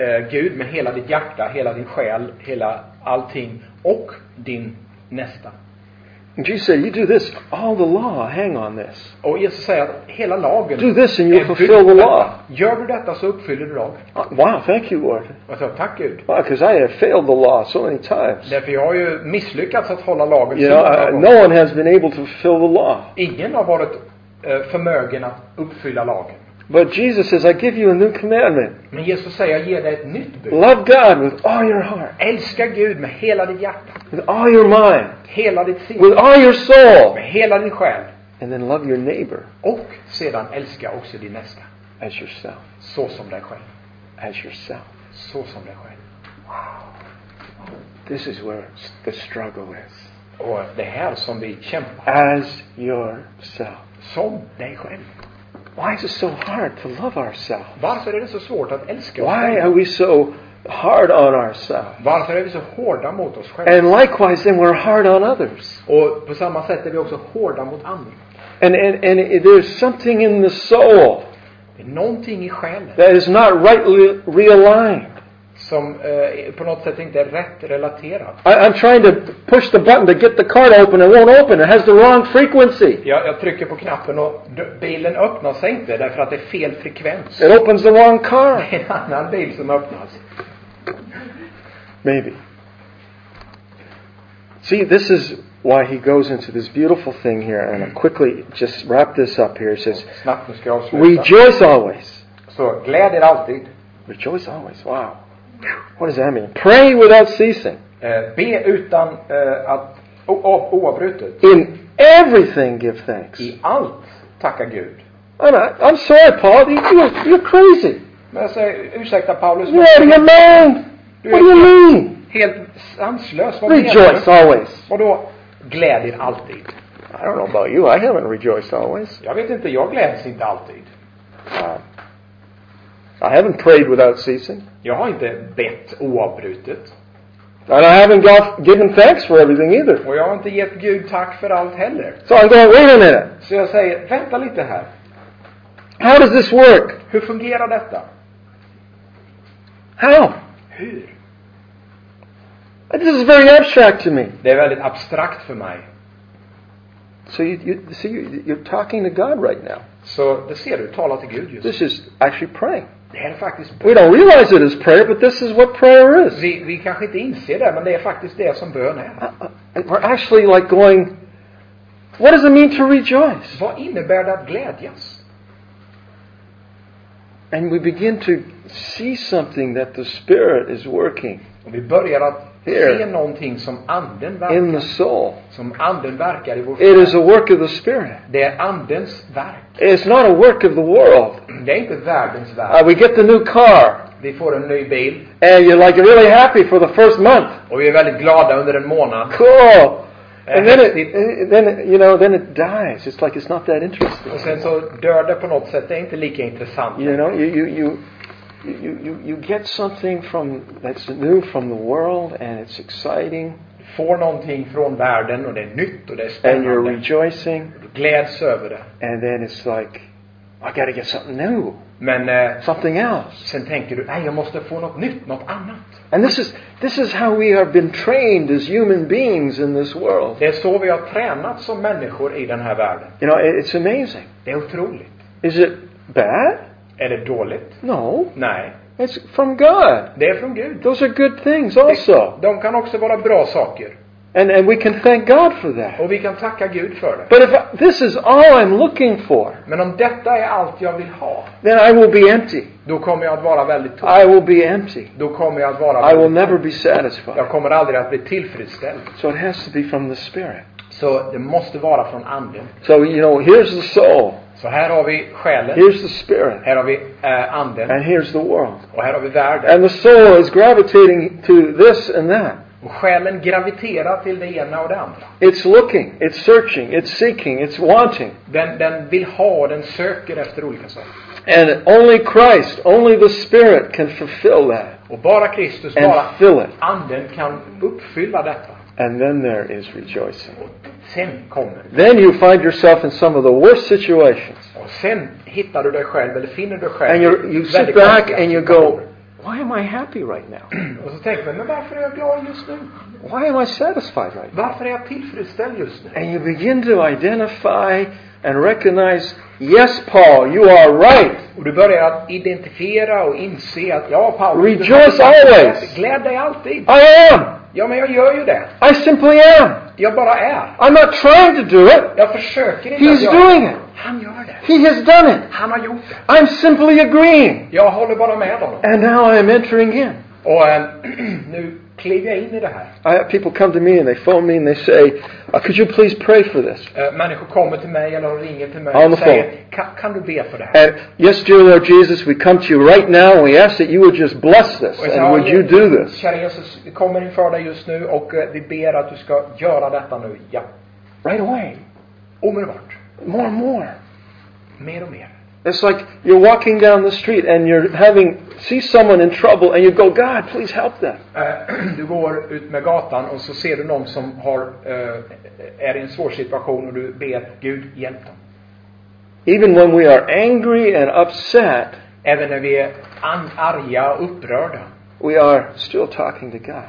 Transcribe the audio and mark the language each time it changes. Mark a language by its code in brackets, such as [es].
[sv] Gud med hela ditt hjärta, hela din själ, hela allting och din nästa. Jesus säger, [en] you do this, all the law hang on this. [sv] Och Jesus säger att hela lagen. [en] Do this and you fulfill the law. [sv] Gör du detta så uppfyller du lagen. [en] Wow, thank you Lord. [sv] Och så tack Gud. [en] Wow, because I have failed the law so many times. [sv] Därför jag har ju misslyckats att hålla lagen. [en] You know, no one has been able to fulfill the law. [sv] Ingen har varit förmögen att uppfylla lagen. [en] But Jesus says, I give you a new commandment. [sv] Men Jesus säger, jag ger dig ett nytt bud. [en] Love God with all your heart. [sv] Älska Gud med hela ditt hjärta. [en] With all your mind. [sv] Hela ditt sinne. [en] With all your soul. [sv] Med hela din själ. [en] And then love your neighbor. [sv] Och sedan älska också din nästa. [en] As yourself. [sv] Så som dig själv. [en] As yourself. [sv] Så som dig själv. [en] This is where the struggle is. [sv] Och det här som vi kämpar. [en] As yourself. [sv] Som dig själv. [en] Why is it so hard to love ourselves? [sv] Varför är det så svårt att älska oss? [en] Why are we so hard on ourselves? [sv] Varför är vi så hårda mot oss själva? [en] And likewise, then we're hard on others. [sv] Och på samma sätt är vi också hårda mot andra. [en] And there's something in the soul. [sv] Det är någonting i själen. [en] That is not rightly realigned. [sv] Som på något sätt inte är rätt relaterat. [en] I'm trying to push the button to get the car to open. It won't open. It has the wrong frequency. [sv] Jag trycker på knappen och bilen öppnas inte därför att det är fel frekvens. [en] It opens the wrong car. [sv] Det är en annan bil som öppnas. [en] Maybe. See, this is why he goes into this beautiful thing here. And I'll quickly just wrap this up here. He says, [sv] snabbt, nu ska jag avsluta. [en] Rejoice always. [sv] Så, gläd er alltid. [en] Rejoice always, wow. What does that mean? Pray without ceasing. [sv] Be utan att oavbrutet. [en] In everything give thanks. [sv] I allt tacka Gud. [en] And I'm sorry, Paul. You're crazy. [sv] Men jag säger, ursäkta Paulus. [en] You're out of your mind. What do you mean? [sv] Helt sanslös. [en] Rejoice always. [sv] Och då glädjer alltid. [en] I don't know about you. I haven't rejoiced always. [sv] Jag vet inte. Jag gläds inte alltid. [en] I haven't prayed without ceasing. [sv] Jag har inte bett oavbrutet. [en] And I haven't given thanks for everything either. [sv] Och jag har inte gett Gud tack för allt heller. [en] So I'm going, wait a minute. [sv] Så jag säger, vänta lite här. [en] How does this work? [sv] Hur fungerar detta? [en] How? [sv] Hur? [en] This is very abstract to me. [sv] Det är väldigt abstrakt för mig. [en] So you're talking to God right now. [sv] Så det ser du, talar till Gud just. [en] This is actually praying. [sv] Det är faktiskt. [en] We don't realize it is prayer, but this is what prayer is. [sv] Vi kanske inte inser det, men det är faktiskt det som bön är. [en] We're actually like going, what does it mean to rejoice? [sv] Vad innebär det att glädjas? [en] And we begin to see something that the Spirit is working. [sv] Och vi börjar att here, se någonting som anden verkar. [en] In the soul. [sv] Som anden verkar i vår. [en] It is a work of the Spirit. [sv] Det är andens verk. [en] It's not a work of the world. [sv] Det är inte världens verk. [en] We get the new car. [sv] Vi får en ny bil. [en] And you're like really happy for the first month. [sv] Och vi är väldigt glada under en månad. [en] Cool. And then it dies. It's like it's not that interesting. [sv] Och sen så dör det på något sätt. Det är inte lika intressant. [en] You know, you get something from that's new from the world and it's exciting. [sv] Får någonting från världen och det är nytt och det är spännande. [en] And you're rejoicing. [sv] Gläds över det. [en] And then it's like I gotta get something new. [sv] Men [en] something else. [sv] Sen tänker du, nej, jag måste få något nytt, något annat. [en] And this is how we have been trained as human beings in this world. [sv] Det är så vi har tränats som människor i den här världen. [en] You know, it's amazing. [sv] Det är otroligt. [en] Is it bad? [sv] Är det dåligt? [en] No. [sv] Nej. [en] It's from God. [sv] Det är från Gud. [en] Those are good things also. [sv] De kan också vara bra saker. [en] And we can thank God for that. [sv] Och vi kan tacka Gud för det. [en] But if this is all I'm looking for. [sv] Men om detta är allt jag vill ha. [en] Then I will be empty. [sv] Då kommer jag att vara väldigt tom. [en] I will be empty. [sv] Då kommer jag att vara. [en] I will never be satisfied. [sv] Jag kommer aldrig att bli tillfredsställd. [en] So it has to be from the Spirit. [sv] Så det måste vara från anden. [en] So you know, here's the soul. [sv] Så här har vi själen. [en] Here's the Spirit. [sv] Här har vi anden. [en] And here's the world. [sv] Och här har vi världen. [en] And the soul is gravitating to this and that. [sv] Och själen graviterar till det ena och det andra. [en] It's looking, it's searching, it's seeking, it's wanting. [sv] Den vill ha, den söker efter olika saker. [en] And only Christ, only the Spirit can fulfill that. [sv] Och bara Kristus, [en] and [sv] bara [en] fill it. [sv] Anden kan uppfylla detta. [en] And then there is rejoicing. [sv] Och sen kommer. [en] Then you find yourself in some of the worst situations. [sv] Och sen hittar du dig själv eller finner du själv. [en] And you sit back and you go, why am I happy right now? [sv] Och så tänker man, men varför är jag glad just nu? [en] Why am I satisfied right now? [sv] Varför är jag tillfredsställd just nu? [en] And you begin to identify and recognize, yes, Paul, you are right. [sv] Och du börjar att identifiera och inse att ja, Paul. [en] Rejoice always. [sv] Gläd dig alltid. [en] I am. [sv] Ja, men jag gör ju det. [en] I simply am. [sv] Jag bara är. [en] I'm not trying to do it. [sv] Jag försöker inte. [en] He's doing it. [sv] Han gör det. [en] He has done it. [sv] Han har gjort det. [en] I'm simply agreeing. [sv] Jag håller bara med honom. [en] And now I'm entering in. [sv] Och nu kliver jag in i det här. [en] People come to me and they phone me and they say, could you please pray for this? [sv] Människor kommer till mig eller ringer till mig och säger, kan du be för det här? [en] And, yes, dear Lord Jesus, we come to you right now and we ask that you would just bless this. [sv] Säger, [en] and would you do this? [sv] Kära Jesus, vi kommer inför dig just nu och vi ber att du ska göra detta nu. Ja. [en] Right away. [sv] Omedelbart. [en] More and more. [sv] Mer och mer. [en] It's like you're walking down the street and you're having see someone in trouble and you go, God, please help them. [sv] Du går ut med gatan och så ser du någon som har är i en svår situation och du ber Gud hjälp dem. [en] Even when we are angry and upset, [sv] även när vi är arga och upprörda, [en] we are still talking to God.